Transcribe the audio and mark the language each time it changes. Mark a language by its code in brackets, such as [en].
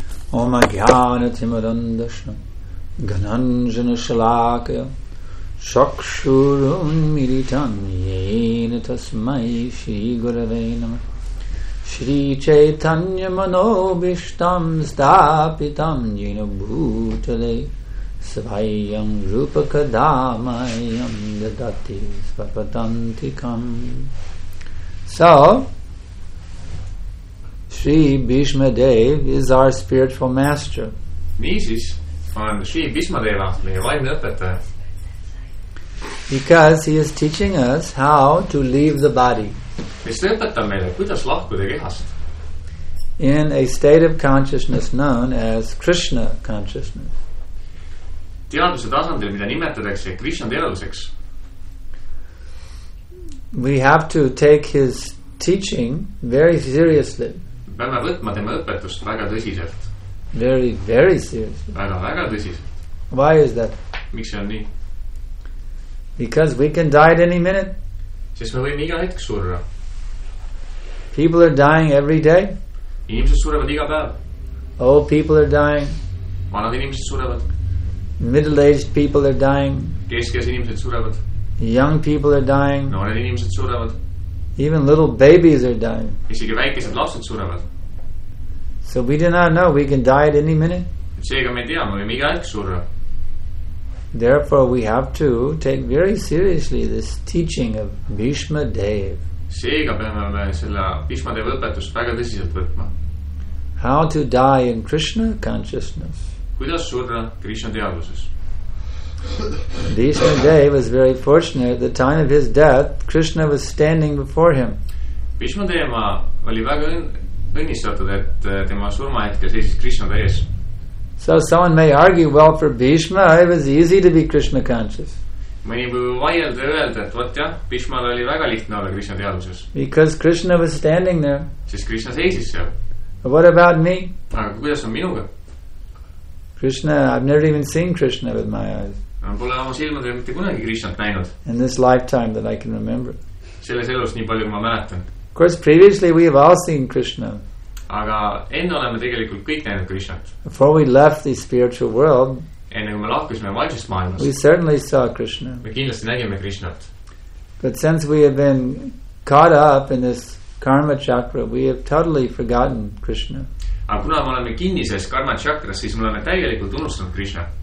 [sa] Om Ajnana Timurandasyam Gananjana Shalakaya Shakshurum Militam Yena Tasmai Shri Gurave Namah Shri Chaitanya Manobishtam Stapitam Yena Bhutale Svayam Rupaka Dhamayam Dadati Svapatantikam. [en] So Sri Bhishma Dev is our spiritual master. [et] Niisis on Sri Bhishma Deva meie vaimne õpetaja. [en] Because he is teaching us how to leave the body. [et] Mis ta õpetab meile, kuidas lahkuda kehast? [en] In a state of consciousness known as Krishna consciousness. [et] teaduse tasandil, mida nimetatakse Krishna teaduseks. [en] We have to take his teaching very seriously. [et] Peame võtma tema õpetust väga tõsiselt. [en] Very, very seriously. [et] Väga, väga tõsiselt. [en] Why is that? [et] Miks see on nii? [en] Because we can die at any minute. [et] Sest me võime iga hetk surra. [en] People are dying every day. [et] Inimesed surevad iga päev. [en] Old people are dying. [et] Vanad inimesed surevad. [en] Middle-aged people are dying. [et] Keskes inimesed surevad. [en] Young people are dying. [et] Noored inimesed surevad. [en] Even little babies are dying. [et] Isegi väikesed lapsed surevad. [en] So we do not know, we can die at any minute. [et] Seega me teame, me iga hetk surra. [en] Therefore we have to take very seriously this teaching of Bhishma Dev. [et] Seega peame selle Bhishma Dev õpetust väga tõsiselt võtma. [en] How to die in Krishna consciousness. [et] Kuidas surra Krishna teaduses? [en] Bhishma Dev was very fortunate. At the time of his death, Krishna was standing before him. [et] Bhishma Dev oli väga õnnistatud, et tema surma hetkel seisis Krishna ees. [en] So someone may argue, well, for Bhishma, it was easy to be Krishna conscious. [et] Mõni võib vaielda ja öelda, et võtja, Bhishmal oli väga lihtne olla Krishna teaduses. [en] Because Krishna was standing there. [et] Siis Krishna seisis seal. [en] But what about me? [et] Aga kuidas on minuga? [en] Krishna, I've never even seen Krishna with my eyes. [et] Ma pole oma silmadega mitte kunagi Krishnat näinud. [en] In this lifetime that I can remember. [et] Selles elus nii palju, kui ma mäletan. [en] Of course, previously we have all seen Krishna. [et] Aga enne oleme tegelikult kõik näinud Krishnat. [en] Before we left the spiritual world, [et] enne kui me lahkusime vaidsest maailmast, [en] we certainly saw Krishna. [et] Me kindlasti nägime Krishnat. [en] But since we have been caught up in this karma chakra, we have totally forgotten Krishna. [et] Aga kuna me oleme kinnises karma chakras, siis me oleme täielikult unustanud Krishna.